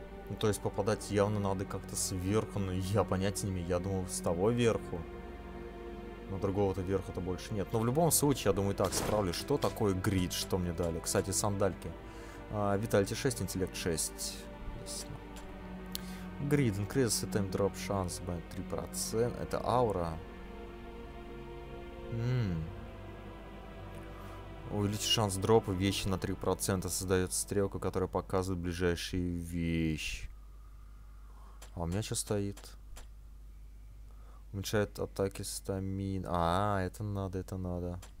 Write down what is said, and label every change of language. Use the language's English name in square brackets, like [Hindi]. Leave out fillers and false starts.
[Russian] Ну, то есть попадать явно надо как-то сверху, но я понятия не имею, я думал с того верху. Но другого-то верху-то больше нет. Но в любом случае, я думаю, так справлюсь. Что такое грид, что мне дали? Кстати, сандальки. Vitality 6, интеллект 6. Ясно. [English] Грид, increases the time drop chance by 3%. [Russian] Это аура. Увеличить шанс дропа вещи на 3%. Создается стрелка, которая показывает ближайшие вещи. А у меня что стоит? Уменьшает атаки стамин. А, это надо, это надо.